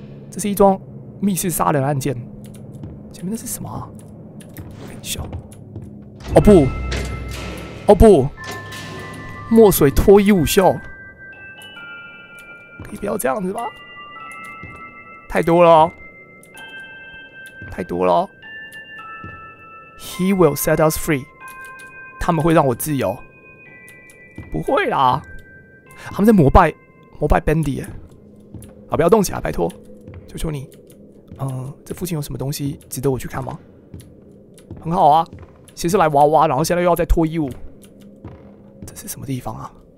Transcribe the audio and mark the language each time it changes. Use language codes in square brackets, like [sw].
[zh] 这是一桩密室杀人案件，前面那是什么？很小。哦不，墨水脱衣舞秀，可以不要这样子吗？太多了。 [en] He will set us free， [zh] 他们会让我自由？不会啦，他们在膜拜 Bandy 耶。好，不要动起来，拜托，求求你。这附近有什么东西值得我去看吗？很好啊。其实来娃娃，然后现在又要再脱衣物，这是什么地方啊？